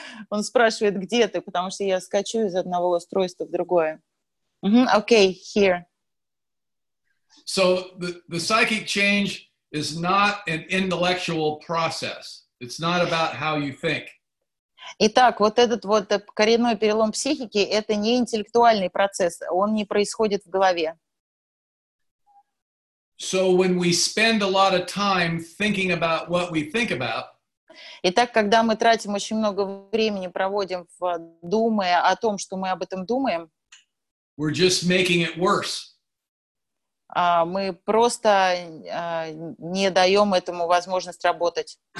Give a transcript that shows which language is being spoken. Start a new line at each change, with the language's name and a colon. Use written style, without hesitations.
Russian: Он спрашивает, где ты, потому что я скачу из одного устройства в другое.
English: Okay, here. So the psychic change is not an intellectual process. It's not about how you think.
Russian: Итак, вот этот вот коренной перелом психики — это не интеллектуальный процесс, он не происходит в голове.
English: So when we spend a lot of time thinking about what we think about,
Russian: итак, когда мы тратим очень много времени, проводим, думая о том, что мы об этом думаем,
English: we're just making it worse.
Russian: Мы просто не даем этому возможность работать.